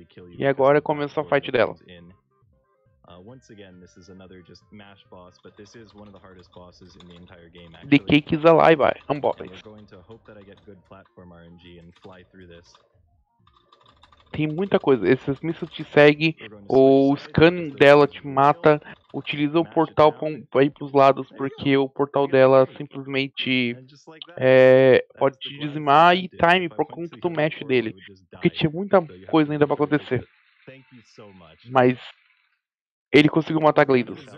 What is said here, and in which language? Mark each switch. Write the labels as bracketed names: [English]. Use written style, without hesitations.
[Portuguese] E agora começa a fight dela. [English] Once again, this is another just mash boss, but this is one of the hardest bosses in the entire game, actually. The cake is alive, I'm bought it. We're going to hope that I get good platform RNG and fly through this. [Portuguese] Tem muita coisa, esses mísseis te seguem, ou o scan dela te mata, utiliza o portal pra ir pros lados, porque o portal dela simplesmente pode te dizimar e time por conta do match dele. Porque tinha muita coisa ainda pra acontecer. Mas ele conseguiu matar Gleidos.